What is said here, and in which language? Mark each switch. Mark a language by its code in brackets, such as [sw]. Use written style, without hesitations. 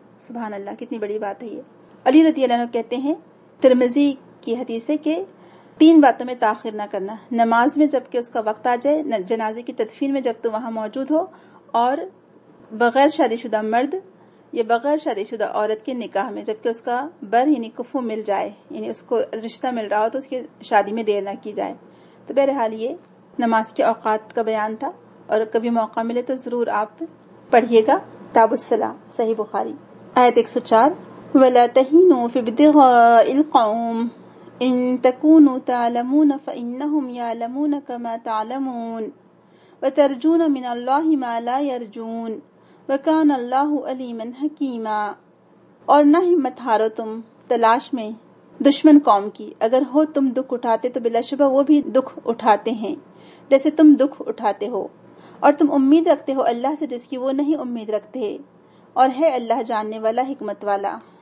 [ur] سبحان اللہ، کتنی بڑی بات ہے یہ. علی رضی اللہ عنہ کہتے ہیں ترمذی کی حدیث ہے کہ تین باتوں میں تاخیر نہ کرنا، نماز میں جبکہ اس کا وقت آ جائے، جنازے کی تدفین میں جب تو وہاں موجود ہو، اور بغیر شادی شدہ مرد یا بغیر شادی شدہ عورت کے نکاح میں جبکہ اس کا بر یعنی کفو مل جائے، یعنی اس کو رشتہ مل رہا ہو تو اس کی شادی میں دیر نہ کی جائے. تو بہرحال یہ نماز کے اوقات کا بیان تھا، اور کبھی موقع ملے تو ضرور آپ پڑھیے گا کتاب الصلاۃ صحیح بخاری آیت 104. [ar] ولا تهنوا في ابتغاء القوم ان تكونوا تعلمون فانهم يعلمون كما تعلمون وترجون من الله ما لا يرجون وكان الله عليما حكيما. [ur] اور نہ ہی مت ہارو تم تلاش میں دشمن قوم کی، اگر ہو تم دکھ اٹھاتے تو بلا شبہ وہ بھی دکھ اٹھاتے ہیں جیسے تم دکھ اٹھاتے ہو، اور تم امید رکھتے ہو اللہ سے جس کی وہ نہیں امید رکھتے، اور ہے اللہ جاننے والا حکمت والا.